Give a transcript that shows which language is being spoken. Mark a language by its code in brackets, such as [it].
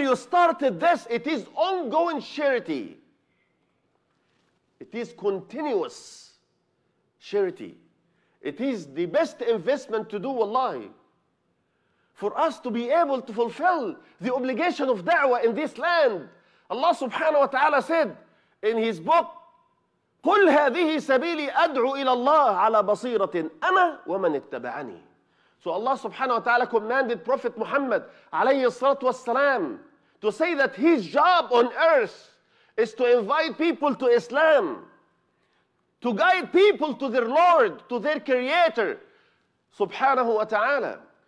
[en] You started this. It is ongoing charity. It is continuous charity. It is the best investment to do, wallahi, for us to be able to fulfill the obligation of da'wah in this land. Allah subhanahu wa ta'ala said in his book, [ar] قُلْ هَذِهِ سَبِيلِي أَدْعُوا إِلَى اللَّهِ عَلَى بَصِيرَةٍ أَنَا وَمَنِ اتَّبَعَنِي. [en] So Allah subhanahu wa ta'ala commanded Prophet Muhammad alayhi salatu wassalam to say that his job on earth is to invite people to Islam, to guide people to their Lord, to their Creator subhanahu wa ta'ala.